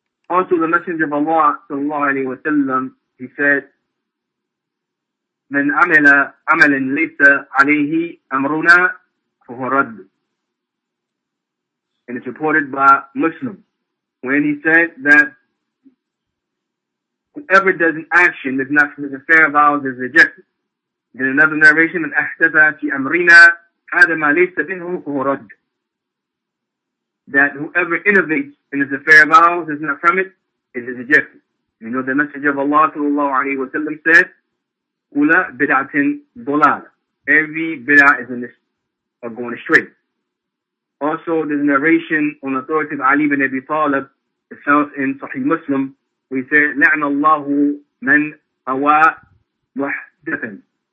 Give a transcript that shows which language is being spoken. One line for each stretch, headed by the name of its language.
English: Also, the Messenger of Allah, sallallahu alayhi wa sallam, he said,
Arabic: من عمل عملا ليس عليه أمرنا فهو رد.
English: And it's reported by Muslim, when he said that whoever does an action that's not from the affair of ours is rejected. In another narration,
Arabic: من أحدث في أمرنا هذا ما ليس منه فهو رد.
English: That whoever innovates in his affair of ours is not from it, it is rejected. You know, the Messenger of Allah sallallahu alayhi wa sallam said,
Arabic: Kula bid'atin dolala.
English: Every bid'ah is a mistake, are going astray. Also, there's a narration on authority of Ali ibn Abi Talib, it sounds in Sahih Muslim, where he said,
Arabic: La'anallahu man awa wahdatan.